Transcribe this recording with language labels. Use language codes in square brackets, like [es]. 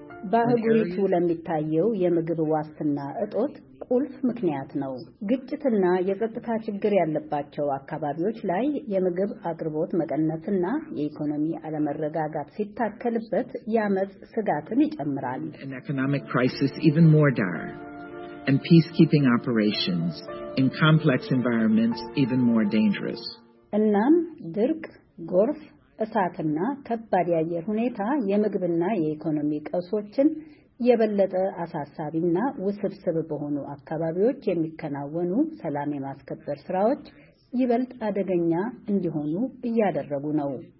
[am] በአህጉሪቱ ለሚታየው የምግብ ዋስትና እጦት ቁልፍ ምክንያት ነው። ግጭትና የጸጥታ ችግር ያለባቸው አካባቢዎች ላይ የምግብ አቅርቦት መቀነስና የኢኮኖሚ አለመረጋጋት ሲታከልበት የአመጽ ስጋትን ይጨምራል። [en] An economic crisis even more dire. And peacekeeping operations in complex environments even more dangerous. [am] እናም ድርቅ፣ ጎርፍ፣ እሳትና ከባድ የአየር ሁኔታ የምግብና የኢኮኖሚ ቀውሶችን የበለጠ አሳሳቢና ውስብስብ በሆኑ አካባቢዎች የሚከናወኑ ሰላም የማስከበር ስራዎች ይበልጥ አደገኛ እንዲሆኑ እያደረጉ ነው።